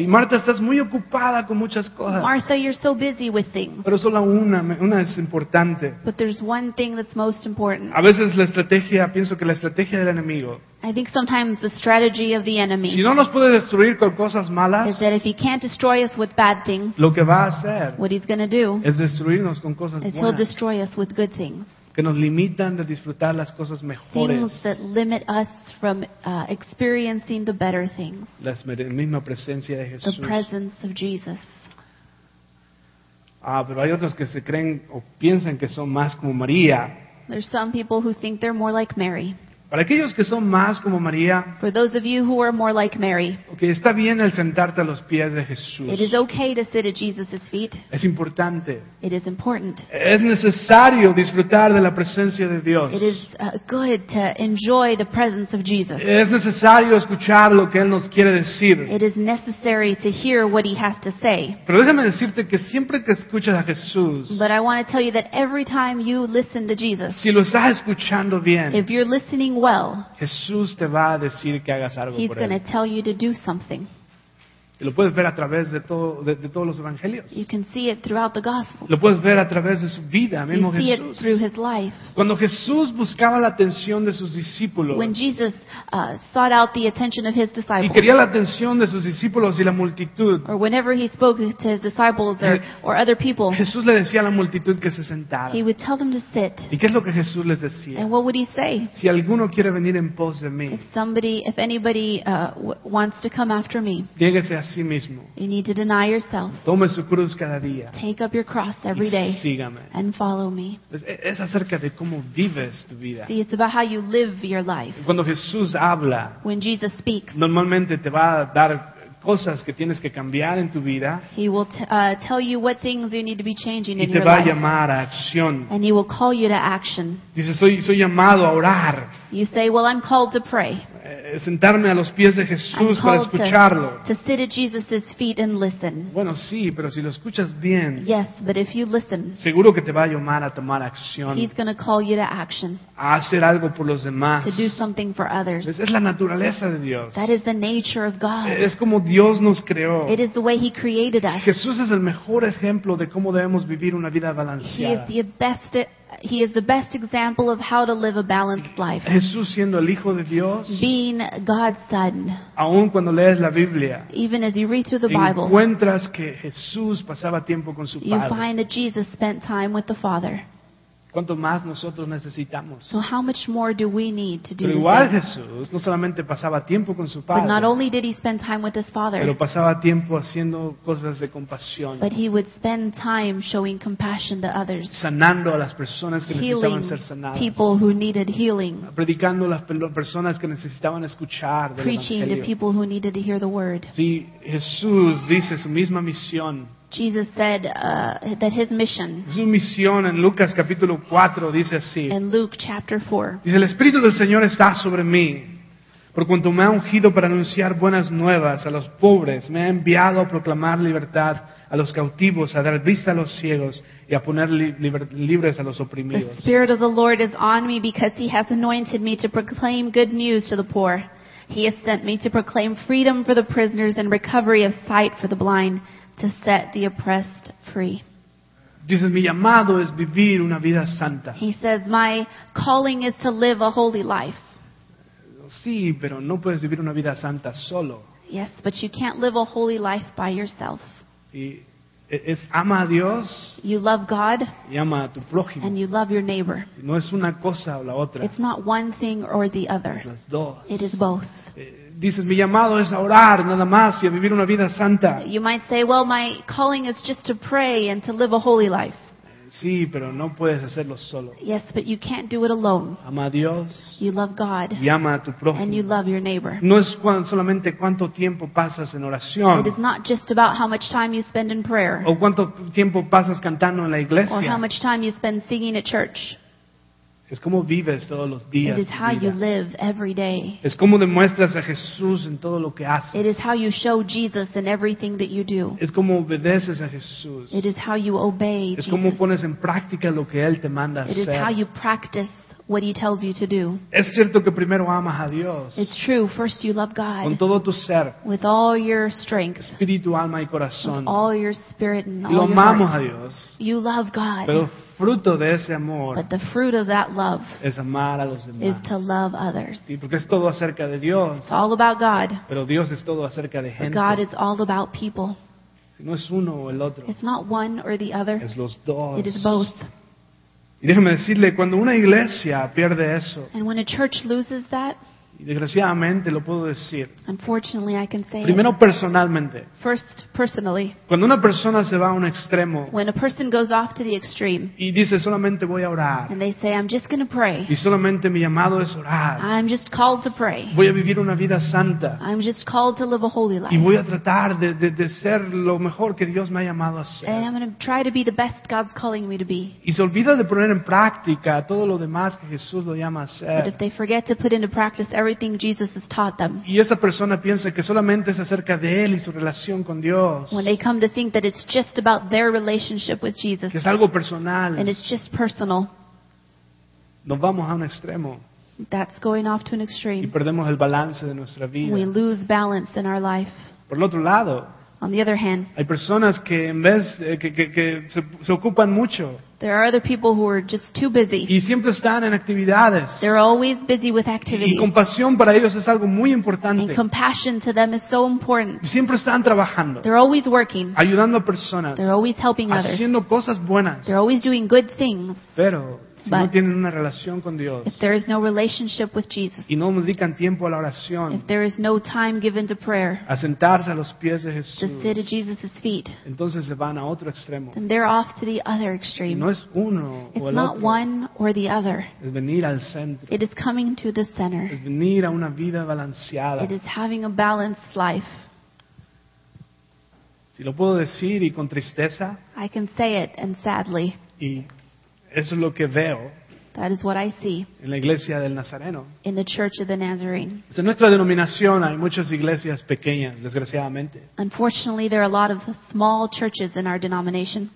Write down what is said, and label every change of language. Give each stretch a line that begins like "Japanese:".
Spanish: Y Marta, estás muy ocupada con muchas cosas.
English: Martha, you're so busy with things.
Spanish: Pero solo una es importante.
English: But there's one thing that's most important.
Spanish: A veces la estrategia, pienso que la estrategia del enemigo.
English: I think sometimes the strategy of the enemy
Spanish: si no nos puede destruir con cosas malas,
English: is that if he can't destroy us with bad things,
Spanish: lo que va a hacer,
English: what he's going to do
Spanish: es destruirnos con cosas
English: is
Spanish: buenas,
English: he'll destroy us with good things.
Spanish: Que nos limitan de disfrutar las cosas mejores.
English: Things that limit us from experiencing the better things.
Spanish: La misma presencia de Jesús.
English: The presence of Jesus.
Spanish: Ah, pero hay otros que se creen o piensan que son más como María.
English: There's some people who think they're more like Mary.
Spanish: Para aquellos que son más como María,
English: for those of you who are more like Mary,
Spanish: okay, está bien el sentarte a los pies de Jesús.
English: It is okay to sit at Jesus's feet.
Spanish: Es importante.
English: It is important.
Spanish: Es necesario disfrutar de la presencia de Dios.
English: It is good to enjoy the presence of Jesus.
Spanish: Es necesario escuchar lo que Él nos quiere decir.
English: It is necessary to hear what He has to say.
Spanish: Pero déjame decirte que siempre que escuchas a Jesús,
English: but I want to tell you that every time you listen to Jesus,
Spanish: si lo estás escuchando bien,
English: if you're listening well,
Spanish: Jesús te va a decir que hagas algo
English: he's going to tell you to do something.
Spanish: Y lo puedes ver a través de todos los evangelios.
English: You can see it throughout the gospels.
Spanish: Lo puedes ver a través de su vida, mismo
English: you see
Spanish: Jesús.
English: It through his life.
Spanish: Cuando Jesús buscaba la atención de sus discípulos,
English: when Jesus sought out the attention of his disciples,
Spanish: y quería la atención de sus discípulos y la multitud,
English: or whenever he spoke to his disciples or other people,
Spanish: Jesús le decía a la multitud que se sentara.
English: He would tell them to sit.
Spanish: ¿Y qué es lo que Jesús les decía?
English: And what would he say?
Spanish: Si alguno quiere venir en pos de mí,
English: if anybody wants to come after me,
Spanish: niéguese a sí mismo.
English: You need to deny yourself.
Spanish: Tome su cruz cada día.
English: Take up your cross every day.
Spanish: Sígame.
English: And follow me.
Spanish: Es acerca de cómo vives tu vida.
English: See, it's about how you live your life.
Spanish: Cuando Jesús habla,
English: when Jesus speaks,
Spanish: normalmente te va a dar cosas que tienes que cambiar en tu vida.
English: He will tell you what things you need to be changing in your life.
Spanish: Y te va a llamar a acción.
English: And he will call you to action.
Spanish: Dices, soy llamado a orar.
English: You say, well, I'm called to pray.
Spanish: Sentarme a los pies de Jesús para escucharlo.
English: To sit at Jesus's feet and listen.
Spanish: Bueno, sí, pero si lo escuchas bien.
English: Yes, but if you listen.
Spanish: Seguro que te va a llamar a tomar acción.
English: He's going to call you to action.
Spanish: A hacer algo por los demás.
English: To do something for others.
Spanish: Es la naturaleza de Dios.
English: That is the nature of God.
Spanish: Es como Dios nos creó.
English: It is the way he created us.
Spanish: Jesús es el mejor ejemplo de cómo debemos vivir una vida balanceada.
English: He is the best example of how to live a balanced life.
Spanish: Jesús siendo el Hijo de Dios,
English: being God's Son.
Spanish: Aun cuando lees la Biblia,
English: even as you read through the Bible,
Spanish: encuentras que Jesús pasaba tiempo con su Padre.
English: You find that Jesus spent time with the Father.
Spanish: ¿Cuánto más nosotros necesitamos?
English: So how much more do we need to do?
Spanish: Pero igual Jesús no solamente pasaba tiempo con su Padre,
English: but not only did he spend time with his Father,
Spanish: pero pasaba tiempo haciendo cosas de compasión,
English: but he would spend time showing compassion to others,
Spanish: sanando a las personas que necesitaban ser sanadas,
English: people who needed healing,
Spanish: predicando a las personas que necesitaban escuchar,
English: preaching to people who needed to hear the word.
Spanish: Sí, Jesús dice su misma misión.
English: Jesus said that his mission.
Spanish: Su misión en Lucas capítulo 4 dice así.
English: In Luke chapter 4.
Spanish: Dice, el Espíritu del Señor está sobre mí, por cuanto me ha ungido para anunciar buenas nuevas a los pobres, me ha enviado a proclamar libertad a los cautivos, a dar vista a los ciegos y a poner libres a los oprimidos.
English: The Spirit of the Lord is on me because he has anointed me to proclaim good news to the poor. He has sent me to proclaim freedom for the prisoners and recovery of sight for the blind. To set the oppressed free.
Spanish: Dices, mi llamado es vivir una vida santa.
English: He says, my calling is to live a holy life.
Spanish: Sí, pero no puedes vivir una vida santa solo.
English: Yes, but you can't live a holy life by yourself.
Spanish: Sí, es ama a Dios.
English: You love God.
Spanish: Y ama a tu prójimo.
English: And you love your neighbor.
Spanish: No es una cosa o la otra.
English: It's not one thing or the other.
Spanish: Es las dos.
English: It is both.
Spanish: Dices, mi llamado es a orar nada más y a vivir una vida santa.
English: You might say, well, my calling is just to pray and to live a holy life.
Spanish: Sí, pero no puedes hacerlo solo.
English: Yes, but you can't do it alone.
Spanish: Ama a Dios.
English: You love God.
Spanish: Y ama a tu prójimo.
English: And you love your neighbor.
Spanish: No es solamente cuánto tiempo pasas en oración.
English: It is not just about how much time you spend in prayer.
Spanish: O cuánto tiempo pasas cantando en la iglesia.
English: Or how much time you spend singing at church.
Spanish: Es como vives todos los días.
English: It is how you live every day.
Spanish: Es como demuestras a Jesús en todo lo que haces.
English: It is how you show Jesus in everything that you do.
Spanish: Es como obedeces a Jesús.
English: It is how you obey
Spanish: Jesus. Es como pones en práctica lo que Él te manda hacer.
English: It is how you practice what He tells you to do.
Spanish: Es cierto que primero amas a Dios.
English: It's true. First you love God.
Spanish: Con todo tu ser.
English: With all your strength.
Spanish: Espíritu, alma y corazón.
English: With all your spirit and all your heart.
Spanish: Lo amamos a Dios.
English: You love God.
Spanish: Pero fruto de ese amor,
English: but the fruit of that love
Spanish: es amar a los demás,
English: is to love others.
Spanish: Sí, porque es todo acerca de Dios,
English: it's all about God.
Spanish: Pero Dios es todo acerca de gente.
English: But God is all about people.
Spanish: Si no es uno o el otro.
English: It's not one or the other.
Spanish: Es los dos.
English: It is both.
Spanish: Y déjeme decirle, cuando una iglesia pierde eso,
English: and when a church loses that,
Spanish: y desgraciadamente lo puedo decir,
English: unfortunately, I can say
Spanish: primero
English: it.
Spanish: Personalmente,
English: first, personally,
Spanish: cuando una persona se va a un extremo,
English: when a person goes off to the extreme,
Spanish: y dice solamente voy a orar,
English: and they say, I'm just going to pray,
Spanish: y solamente mi llamado es orar,
English: I'm just called to pray,
Spanish: voy a vivir una vida santa,
English: I'm just called to live a holy life,
Spanish: y voy a tratar de ser lo mejor que Dios me ha llamado a ser,
English: and I'm going to try to be the best God's calling me to be,
Spanish: y se olvida de poner en práctica todo lo demás que Jesús lo llama a ser,
English: but if they forget to put into practice everything Jesus has taught them.
Spanish: Y esa persona piensa que solamente es acerca de él y su relación con Dios.
English: When they come to think that it's just about their relationship with Jesus.
Spanish: Que es algo personal.
English: And it's just personal.
Spanish: Nos vamos a un extremo.
English: That's going off to an extreme.
Spanish: Y perdemos el balance de nuestra vida.
English: We lose balance in our life.
Spanish: Por el otro lado,
English: on the other hand,
Spanish: hay personas que en vez que se ocupan mucho.
English: There are other people who are just too busy.
Spanish: Y siempre están en actividades.
English: They're always busy with activities.
Spanish: Y compasión para ellos es algo muy importante.
English: And compassion to them is so important.
Spanish: Siempre están trabajando.
English: They're always working.
Spanish: Ayudando a personas.
English: They're always helping others.
Spanish: Haciendo cosas buenas.
English: They're always doing good things.
Spanish: Pero si no tienen una relación con Dios,
English: if there is no relationship with Jesus,
Spanish: y no dedican tiempo a la oración,
English: if there is no time given to prayer,
Spanish: a sentarse a los pies de Jesús,
English: to sit at Jesus's feet,
Spanish: entonces se van a otro extremo,
English: and they're off to the other extreme.
Spanish: Y no es uno
English: it's
Spanish: o el
English: not
Spanish: otro.
English: One or the other.
Spanish: Es venir al centro.
English: It is coming to the center.
Spanish: Es venir a una vida balanceada.
English: It is having a balanced life.
Spanish: Si lo puedo decir y con tristeza.
English: I can say it and sadly.
Spanish: Y eso es lo que veo.
English: That is what I see.
Spanish: En la iglesia del Nazareno.
English: In the Church of the Nazarene.
Spanish: En nuestra denominación hay muchas iglesias pequeñas, desgraciadamente.
English: Unfortunately, there are a lot of small churches in our denomination.